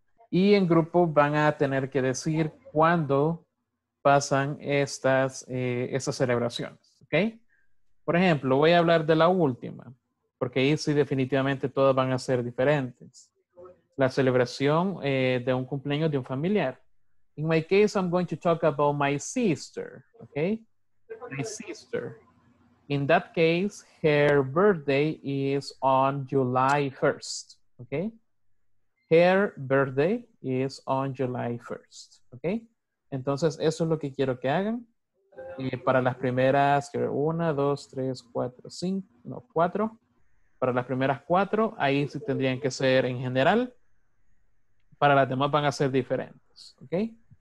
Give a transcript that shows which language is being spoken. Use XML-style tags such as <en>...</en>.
<es>Y en grupo van a tener que decir cuándo pasan estas celebraciones, ¿ok? Por ejemplo, voy a hablar de la última. Porque ahí sí definitivamente todas van a ser diferentes. La celebración de un cumpleaños de un familiar.</es> <en>In my case, I'm going to talk about my sister, okay? My sister. In that case, her birthday is on July 1st, okay? Her birthday is on July 1st, okay?</en> <es>Entonces, eso es lo que quiero que hagan. Para las primeras, una, dos, tres, cuatro, cinco, no, cuatro. Para las primeras cuatro, ahí sí tendrían que ser en general. Para las demás van a ser diferentes, okay?</es>